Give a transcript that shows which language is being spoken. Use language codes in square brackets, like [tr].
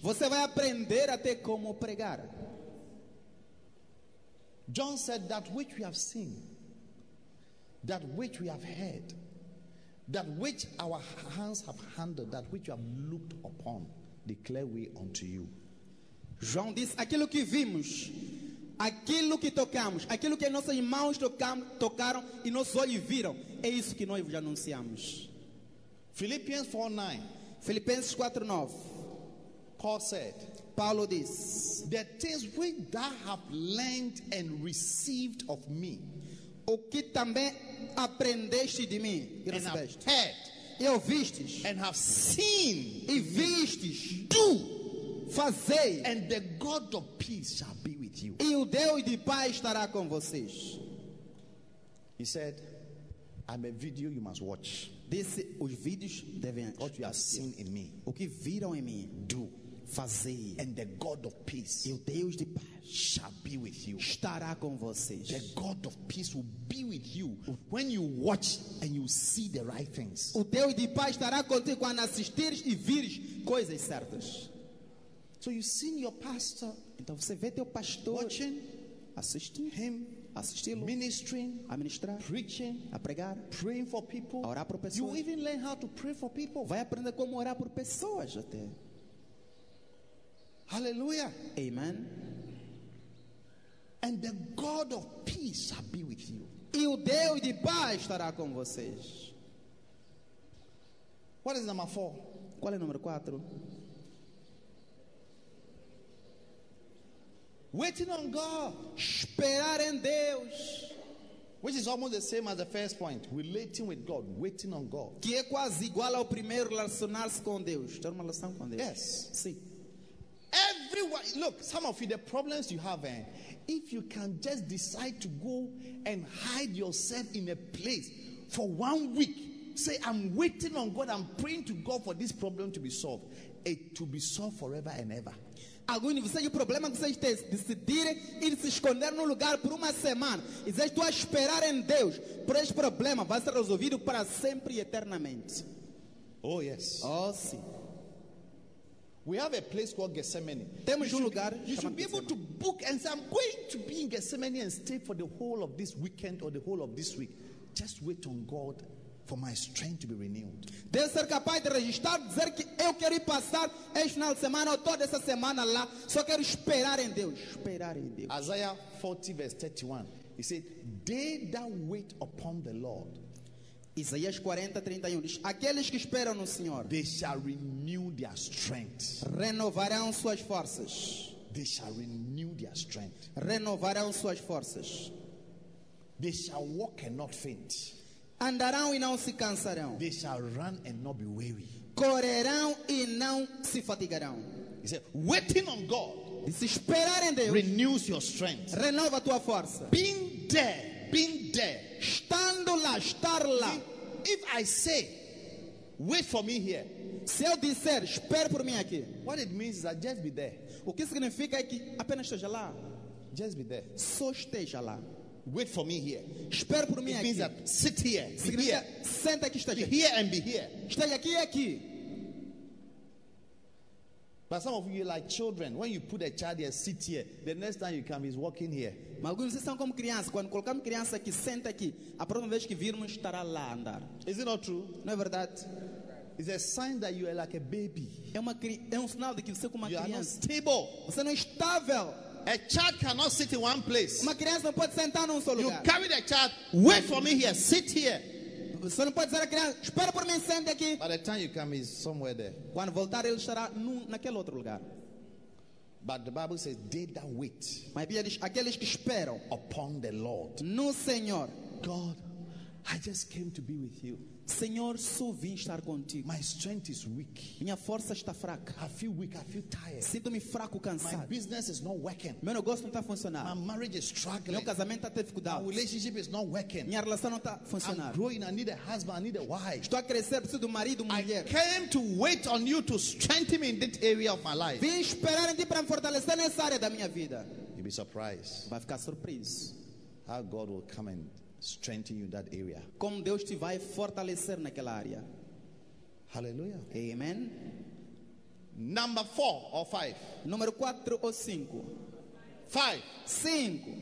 [pt] Você vai aprender até como pregar. [en] John said that which we have seen, that which we have heard, that which our hands have handled, that which you have looked upon, declare we unto you. [pt] João disse, aquilo que vimos, aquilo que tocamos, aquilo que nossas mãos tocaram e nossos olhos viram, é isso que nós vos anunciamos. [en] Philippians 4:9. [pt] Filipenses 4:9. [en] Paul said. [pt] Paulo diz. [en] The things which thou have learned and received of me. [pt] O que também aprendeste de mim. [en] And have heard. [pt] E ouvistes. [en] And have seen. [pt] E vistes. [en] Do. [pt] Fazei. [en] And the God of peace shall be with you. [pt] E o Deus de paz estará com vocês. [en] He said, I'm a video you must watch. [pt] Desse, os vídeos devem [en] what you have seen in me. [pt] O que viram em mim. [en] Do. [pt] Fazei. [en] And the God of peace. [pt] E o Deus de paz. [en] Shall be with you. [pt] Estará com vocês. [en] The God of peace will be with you. When you watch and you see the right things. [pt] O Deus de paz estará contigo quando assistires e vires coisas certas. [en] So you see your pastor. [pt] Então você vê teu pastor. [en] Watching. [pt] Assistindo. [en] Him. [pt] Assisti-lo, [en] ministering, [pt] a ministrar, [en] preaching, [pt] a pregar, [en] praying for people, [pt] a orar por pessoas. [en] You even learn how to pray for people. [pt] Vai aprender como orar por pessoas até. [en] Hallelujah. [pt] Amen. [en] And the God of peace shall be with you. [pt] E o Deus de paz estará com vocês. [en] What is number four? [pt] Qual é o número 4? [en] Waiting on God. [pt] Esperar em Deus. [en] Which is almost the same as the first point. Relating with God. Waiting on God. [pt] Que é quase igual ao primeiro, relacionar-se com Deus. Ter uma relação com Deus. [en] Yes. [pt] Sim. [en] Everyone, look, some of you, the problems you have, if you can just decide to go and hide yourself in a place for 1 week, say, I'm waiting on God, I'm praying to God for this problem to be solved. It to be solved forever and ever. [pt] Alguns de vocês, o problema que vocês têm, decidirem ir se esconder no lugar por uma semana. E vocês estão a esperar em Deus. Por esse problema vai ser resolvido para sempre e eternamente. [en] Oh yes. [pt] Oh sim. [en] We have a place called Gethsemane. [pt] Temos um lugar. [en] You should be able to book and say, I'm going to be in Gethsemane and stay for the whole of this weekend or the whole of this week. Just wait on God for my strength to be renewed. [pt] Deve ser capaz de registrar, dizer que eu quero ir passar este final de semana ou toda essa semana lá. Só quero esperar em Deus. Esperar em Deus. [en] Isaiah 40, verse 31. He said, they that wait upon the Lord. [pt] Isaías 40, 31 diz, aqueles que esperam no Senhor, [en] they shall renew their strength. [pt] Renovarão suas forças. [en] They shall renew their strength. [pt] Renovarão suas forças. [en] They shall walk and not faint. [pt] Andarão e não se cansarão. [en] They shall run and not be weary. [pt] Correrão e não se fatigarão. [en] He said, waiting on God, [pt] disse, esperar em Deus, [en] renews your strength. [pt] Renova tua força. [en] Being there, being there. [pt] Estando lá, estar lá. [en] If I say, wait for me here. [pt] Se eu disser, espere por mim aqui. [en] What it means is I just be there. [pt] O que significa é que apenas esteja lá. [en] Just be there. [pt] Só esteja lá. [en] Wait for me here. [pt] Espere por mim [en] it [pt] aqui. [en] Means that sit here. [pt] Significa, [en] here. [pt] Senta aqui, esteja. [en] Be here and be here. [pt] Esteja aqui e aqui. [en] But some of you are like children. When you put a child here, sit here. The next time you come, he's walking here. [pt] Mas alguns vocês são como crianças. Quando colocamos criança aqui, senta aqui. A próxima vez que virmos, estará lá a andar. [en] Is it not true? [pt] Não é verdade? [en] It's a sign that you are like a baby. [pt] É um sinal de que você é como uma criança. [en] You are not stable. [pt] Você não é estável. [en] A child cannot sit in one place. [pt] Uma criança não pode sentar num só lugar. [en] You carry the child. Wait for me here. Sit here. [pt] Você não pode dizer à criança, espera por mim, sente aqui. [en] By the time you come, he's somewhere there. [pt] Quando voltar, ele estará naquele outro lugar. [en] But the Bible says, they that wait. [pt] Mas a Bíblia diz, aqueles que esperam. [en] Upon the Lord. [pt] No Senhor. [en] God, I just came to be with you. [pt] Senhor, só vim estar contigo. [en] My strength is weak. [pt] Minha força está fraca. [en] I feel weak, I feel tired. [pt] Sinto-me fraco, cansado. [en] My business is not working. [pt] Meu negócio não está funcionando. [en] My marriage is struggling. [pt] Meu casamento está dificuldade. [en] My relationship is not working. [pt] Minha relação não está funcionando. [en] I'm growing, I need a husband, I need a wife. [pt] Estou a crescer, preciso de marido, mulher. [en] I came to wait on you to strengthen me in that area of my life. [pt] Vim esperar em ti para me fortalecer nessa área da minha vida. [en] You'll be surprised. [pt] Vai ficar surpreso. [en] How God will come and strengthen you in that area. [pt] Como Deus te vai fortalecer naquela área. [en] Hallelujah. [pt] Amen. [en] Number 4 or 5. [pt] Número 4 ou 5. [en] 5. [pt] 5.